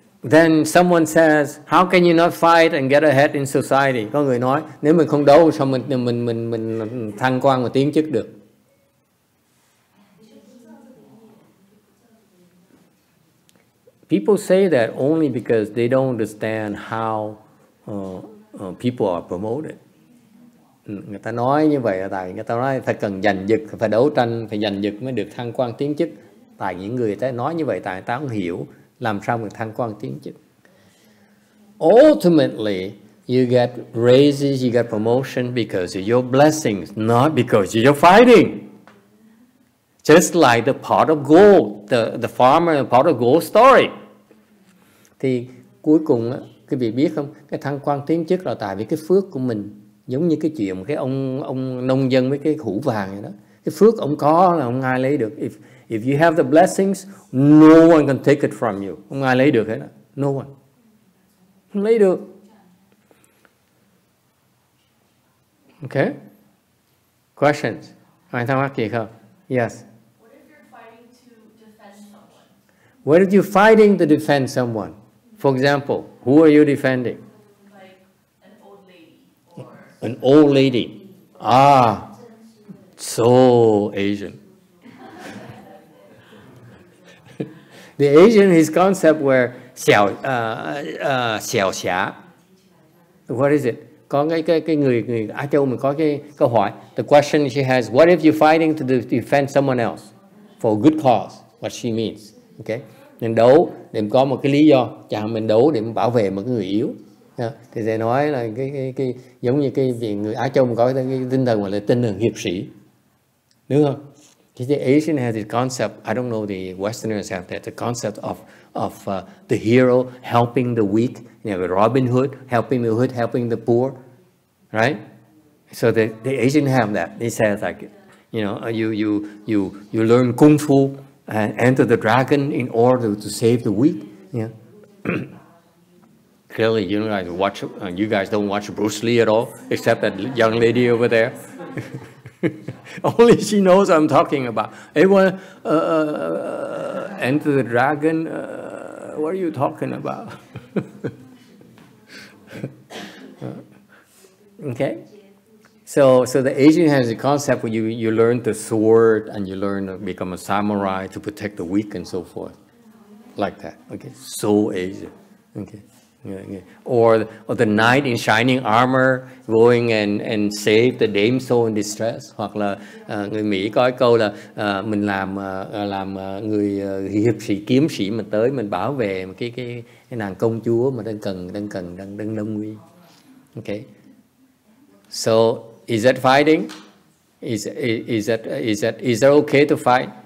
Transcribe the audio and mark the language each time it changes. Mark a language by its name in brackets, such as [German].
[English] Then someone says, "How can you not fight and get ahead in society?" [Vietnamese] Có người nói, nếu mình không đấu, sao mình thăng quan và tiến chức được? [English] People say that only because they don't understand how people are promoted. [Vietnamese] Người ta nói như vậy là tại người ta nói phải cần giành giật, phải đấu tranh, phải giành giật mới được thăng quan tiến chức. Tại những người ta nói như vậy tại người ta không hiểu làm sao mình thăng quan tiến chức. [English] Ultimately, you get raises, you get promotion because of your blessings, not because of your fighting. Just like the pot of gold, the farmer and the pot of gold story. [Vietnamese] Thì cuối cùng, quý vị biết không, cái thăng quan tiến chức là tại vì cái phước của mình. Giống như cái chuyện cái ông nông dân với cái hũ vàng vậy đó. Cái phước ông có là ông ai lấy được. [English] If you have the blessings, no one can take it from you. [Vietnamese] Ông ai lấy được hết đó. [English] No one. [Vietnamese] Không lấy được. [English] Okay. Questions? [Vietnamese] Ai thắc mắc gì không? [English] Yes. What if you're fighting to defend someone? What if you're fighting to defend someone? For example, who are you defending? An old lady. Ah, so Asian. The Asian his concept where xiao xia. What is it? [Vietnamese] Có cái người Á Châu mình có cái câu hỏi. [English] The question she has, what if you're fighting to defend someone else for a good cause? What she means. Okay? [Vietnamese] Mình đấu để có một cái lý do. Chẳng hạn mình đấu để mình bảo vệ một cái người yếu. Yeah. Thì thầy nói là cái giống như cái người Á Châu mình có cái tinh thần gọi là tinh thần hiệp sĩ, đúng không? [English] Thì the Asian has the concept, I don't know the Westerners have that, the concept of the hero helping the weak, you know, Robin Hood helping the hood, helping the poor, right? So the Asian have that. They say like, you know, you learn kung fu and enter the dragon in order to save the weak, yeah. Clearly, you know, you guys don't watch Bruce Lee at all, except that young lady over there. Only she knows what I'm talking about. Everyone, Enter the Dragon, what are you talking about? Okay? So the Asian has a concept where you learn the sword and you learn to become a samurai to protect the weak and so forth. Like that. Okay? So Asian. Okay? Yeah. Or the knight in shining armor going and save the damsel in distress. [Vietnamese] Hoặc là người Mỹ có cái câu là mình làm người hiệp sĩ kiếm sĩ mà tới mình bảo vệ một cái nàng công chúa mà đang cần lâm nguy. Okay. [English] So is that fighting? Is that okay to fight?